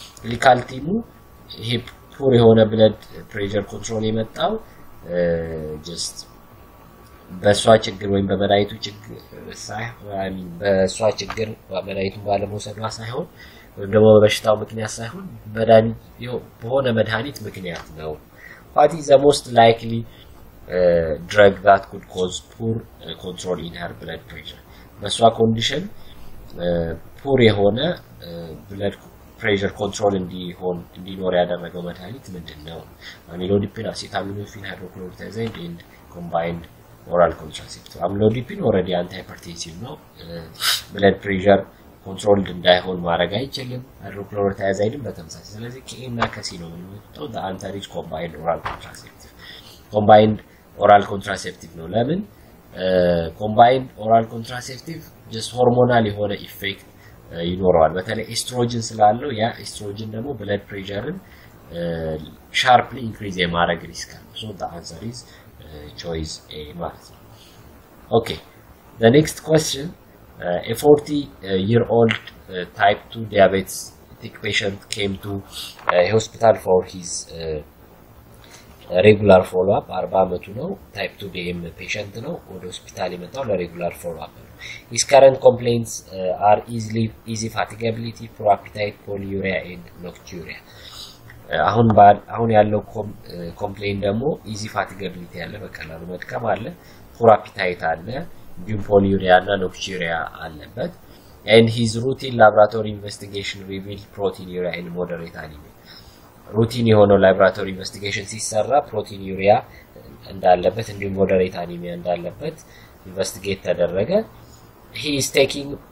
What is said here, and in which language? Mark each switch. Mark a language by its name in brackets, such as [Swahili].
[Amharic] clinical team he poor የሆነ blood pressure control የመጣው just በሷ ችግር ወይም በመዳይቱ ችግር ሳይሆን በሷ ችግር በመዳይቱ ባለመውሰዷ ሳይሆን ወይም ደግሞ በበሽታው ምክንያት ሳይሆን በሆነ መድኃኒት ምክንያት ነው። [English] what is the most likely drug that could cause poor control in her blood pressure? [Amharic] በሷ condition poor የሆነ blood pressure control እንዲኖር ያደረገው መድኃኒት ምንድን ነው? [English] amlodipine, acetaminophen, hydrochlorothiazide and combined oral contraceptive. [Amharic] amlodipine already anti-hypertensive ነው። blood pressure controlled እንዳይሆን ማድረግ አይችልም። hydrochlorothiazide በተመሳሳይ። ስለዚህ ከኤና ከሲ ነው የሚወጣው [English] the anti-risk combined oral contraceptive [Amharic] ኮምባይንድ ኦራል ኮንትራሴፕቲቭ ነው። ለምን ኮምባይንድ ኦራል ኮንትራሴፕቲቭ ጀስት ሆርሞናል የሆነ ኢፌክት ይኖረዋል፣ በተለይ ኤስትሮጅን ስላለው። ያ ኤስትሮጅን ደግሞ ብለድ ፕሬሸርን ሻርፕሊ ኢንክሪዝ የማድረግ ሪስክ አለ። [English] ሶ ዘ አንሰር ኢዝ ቾይስ ኤ [Amharic] ማለት ነው። [English] ኦኬ ዘ ኔክስት ኳስችን a 40 year old type 2 diabetic patient came to a hospital for his regular follow up. [Amharic] 40 አመቱ ነው። type 2 dm patient ነው። ወደ ሆስፒታል ይመጣው ለሬጉላር ፎሎ አፕ ነው። [English] his current complaints are easy fatigability, poor appetite, polyuria and nocturia. [Amharic] አሁን ያለው complaint ደግሞ easy fatigability ያለ፣ በቀላሉ መድከም አለ፣ poor appetite አለ፣ ዲምፖሊዩሪያ እና ኖክቹሪያ አለበት። [English] ኤንድ ሂዝ ሩቲን ላብራቶሪ ኢንቨስቲጌሽን ሪቪልድ ፕሮቲን ዩሪያ ኢን ሞደሬት አኒሚያ። [Amharic] ሩቲን የሆነው ላብራቶሪ ኢንቨስቲጌሽን ሲሰራ ፕሮቲን ዩሪያ እንዳለበት እንዲሁም ሞደሬት አኒሚያ እንዳለበት ኢንቨስቲጌት ተደረገ። [English] ሂ ኢዝ ቴኪንግ